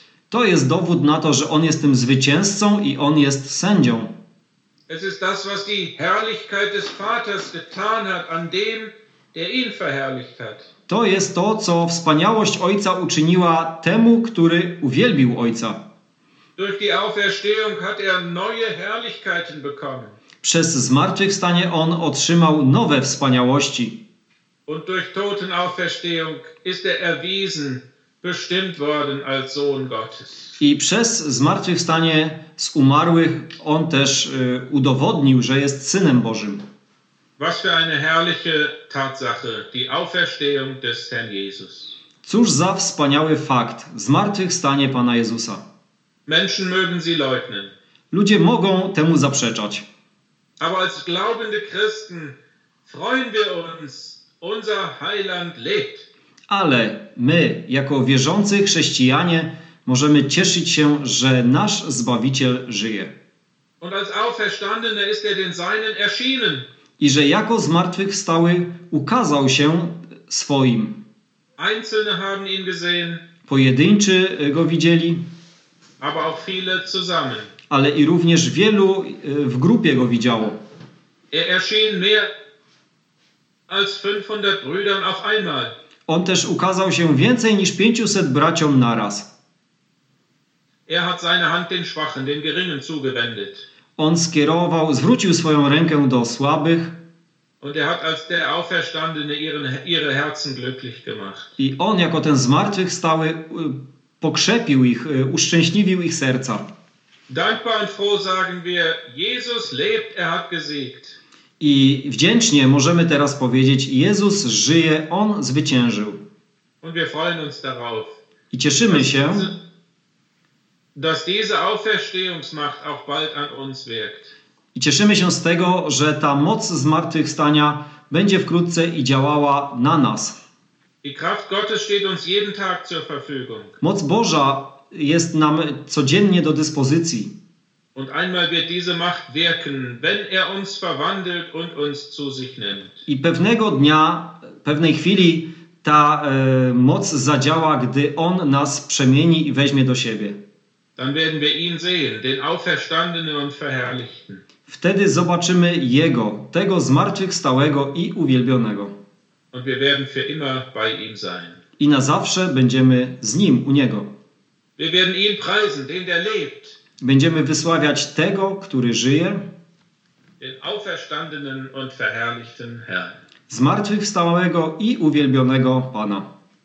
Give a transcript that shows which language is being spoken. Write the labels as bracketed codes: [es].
[pl] To jest dowód na to, że On jest tym zwycięzcą i On jest sędzią. [de] Es ist das, was die Herrlichkeit des Vaters getan hat an dem, der ihn verherrlicht hat. [pl] To jest to, co wspaniałość Ojca uczyniła temu, który uwielbił Ojca. [de] Durch die Auferstehung hat er neue Herrlichkeiten bekommen. [pl] Przez zmartwychwstanie on otrzymał nowe wspaniałości. [de] Und durch Totenauferstehung ist er erwiesen, bestimmt worden als Sohn Gottes. [pl] I przez zmartwychwstanie z umarłych on też udowodnił, że jest Synem Bożym. [de] Was für eine herrliche Tatsache, die Auferstehung des Herrn Jesus. [pl] Cóż za wspaniały fakt, zmartwychwstanie Pana Jezusa. [de] Menschen mögen sie leugnen. [pl] Ludzie mogą temu zaprzeczać. [de] Aber als glaubende Christen freuen wir uns, unser Heiland lebt. [pl] Ale my, jako wierzący chrześcijanie, możemy cieszyć się, że nasz Zbawiciel żyje. [de] Und als auferstandene ist er den seinen erschienen. [pl] I że jako zmartwychwstały ukazał się swoim. [de] Einzelne haben ihn gesehen. [pl] Pojedynczy go widzieli. [de] Aber auch viele zusammen. [pl] Ale i również wielu w grupie go widziało. [de] Er erschien mehr als 500 Brüdern auf einmal. [pl] On też ukazał się więcej niż 500 braciom naraz. [de] Er hat seine Hand den Schwachen, den Geringen zugewendet. [pl] On skierował, zwrócił swoją rękę do słabych. [de] Und er hat als der Auferstandene ihre Herzen glücklich gemacht. [pl] I on jako ten zmartwychwstały pokrzepił ich, uszczęśliwił ich serca. [de] Dankbar und froh sagen wir, Jesus lebt, er hat gesiegt. [pl] I wdzięcznie możemy teraz powiedzieć, Jezus żyje, On zwyciężył. [de] Und wir freuen uns darauf. [pl] I cieszymy się, [de] dass diese Auferstehungsmacht auch bald an uns wirkt. [pl] I cieszymy się z tego, że ta moc zmartwychwstania będzie wkrótce i działała na nas. [de] Die Kraft Gottes steht uns jeden Tag zur Verfügung. [pl] Moc Boża jest nam codziennie do dyspozycji. [de] Und einmal wird diese Macht wirken, wenn er uns verwandelt und uns zu sich nimmt. [pl] I pewnego dnia, pewnej chwili ta moc zadziała, gdy on nas przemieni i weźmie do siebie. [de] Dann werden wir ihn sehen, den Auferstandenen und Verherrlichten. [pl] Wtedy zobaczymy Jego, tego zmartwychwstałego i uwielbionego. [de] Und wir werden für immer bei ihm sein. [pl] I na zawsze będziemy z Nim, u Niego. [de] Wir werden ihn preisen, den der lebt. [pl] Będziemy wysławiać Tego, który żyje. [de] Den Auferstandenen und Verherrlichten Herrn. [pl] Zmartwychwstałego i uwielbionego Pana.